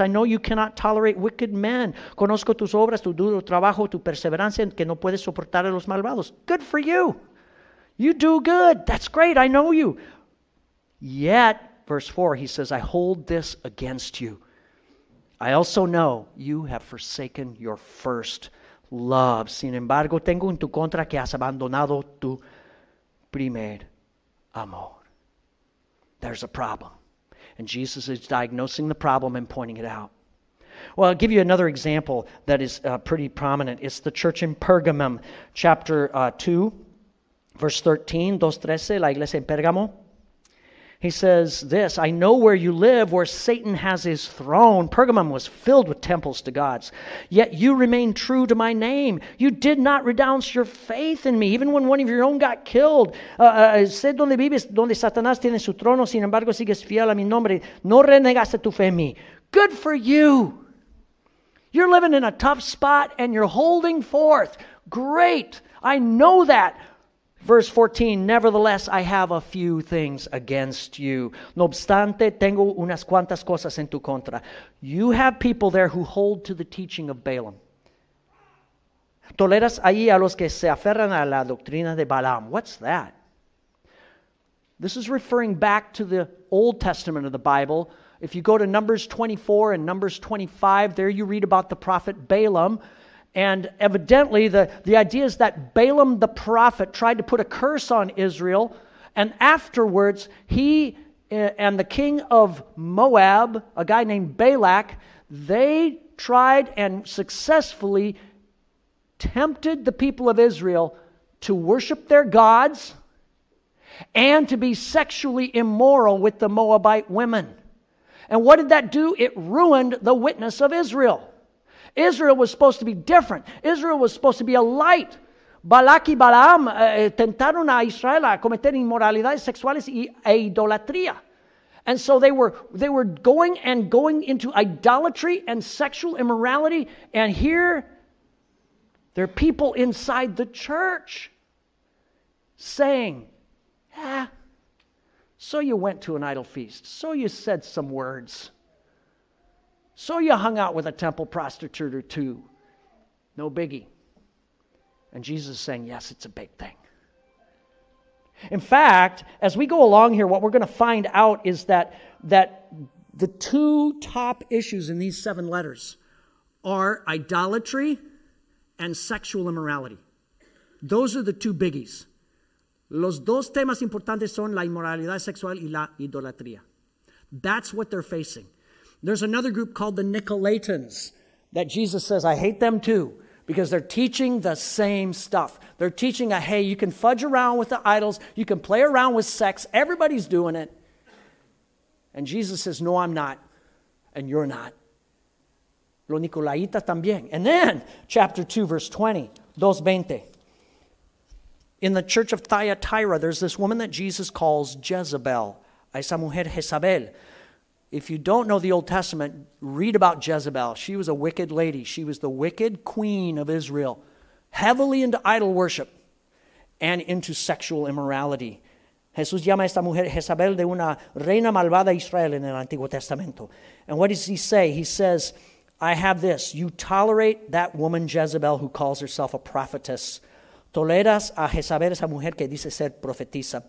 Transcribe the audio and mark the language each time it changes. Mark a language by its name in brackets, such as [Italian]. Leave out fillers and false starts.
[English] I know you cannot tolerate wicked men. [Spanish] Conozco tus obras, tu duro trabajo, tu perseverancia, que no puedes soportar a los malvados. [English] Good for you. You do good. That's great. I know you. Yet, verse 4, he says, I hold this against you. I also know you have forsaken your first love. [Spanish] Sin embargo, tengo en tu contra que has abandonado tu primer amor. [English] There's a problem. And Jesus is diagnosing the problem and pointing it out. Well, I'll give you another example that is pretty prominent. It's the church in Pergamum, chapter 2, verse 13, 2:13, [Spanish] la iglesia en Pergamo. [English] He says this, I know where you live, where Satan has his throne. Pergamum was filled with temples to gods. Yet you remain true to my name. You did not renounce your faith in me, even when one of your own got killed. [Spanish] Sé donde vives, donde Satanás tiene su trono, sin embargo sigues fiel a mi nombre. No renegaste tu fe en mí. [English] Good for you. You're living in a tough spot and you're holding forth. Great. I know that. Verse 14, nevertheless, I have a few things against you. [Spanish] No obstante, tengo unas cuantas cosas en tu contra. [English] You have people there who hold to the teaching of Balaam. [Spanish] Toleras ahí a los que se aferran a la doctrina de Balaam. [English] What's that? This is referring back to the Old Testament of the Bible. If you go to Numbers 24 and Numbers 25, there you read about the prophet Balaam. And evidently, the idea is that Balaam the prophet tried to put a curse on Israel. And afterwards, he and the king of Moab, a guy named Balak, they tried and successfully tempted the people of Israel to worship their gods and to be sexually immoral with the Moabite women. And what did that do? It ruined the witness of Israel. Israel was supposed to be different. Israel was supposed to be a light. [Spanish] Balak y Balaam tentaron a Israel a cometer inmoralidades sexuales y a idolatría. [English] And so they were going into idolatry and sexual immorality. And here, there are people inside the church saying, so you went to an idol feast. So you said some words. So you hung out with a temple prostitute or two. No biggie. And Jesus is saying, yes, it's a big thing. In fact, as we go along here, what we're going to find out is that the two top issues in these seven letters are idolatry and sexual immorality. Those are the two biggies. [Spanish] Los dos temas importantes son la inmoralidad sexual y la idolatría. [English] That's what they're facing. There's another group called the Nicolaitans that Jesus says, I hate them too, because they're teaching the same stuff. They're teaching, hey, you can fudge around with the idols, you can play around with sex, everybody's doing it. And Jesus says, no, I'm not, and you're not. [Spanish] Los Nicolaitas también. [English] And then, chapter 2, verse 20, 2:20. In the church of Thyatira, there's this woman that Jesus calls Jezebel. [Spanish] Esa mujer Jezabel. [English] If you don't know the Old Testament, read about Jezebel. She was a wicked lady. She was the wicked queen of Israel. Heavily into idol worship and into sexual immorality. [Spanish] Jesús llama a esta mujer Jezabel de una reina malvada de Israel en el Antiguo Testamento. [English] And what does he say? He says, I have this. You tolerate that woman Jezebel who calls herself a prophetess. [Spanish] Toleras a Jezabel, esa mujer que dice ser profetisa.